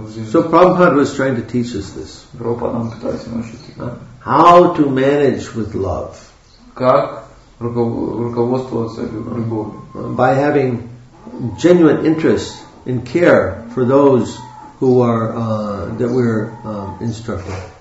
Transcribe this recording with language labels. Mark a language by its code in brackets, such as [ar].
[en] So Prabhupada was trying to teach us this. [ru] Prabhupada нам пытается научить. [en] How to manage with love? [ru] Как руководствоваться любовью? [en] By having genuine interest and care for those who are that we're instructing.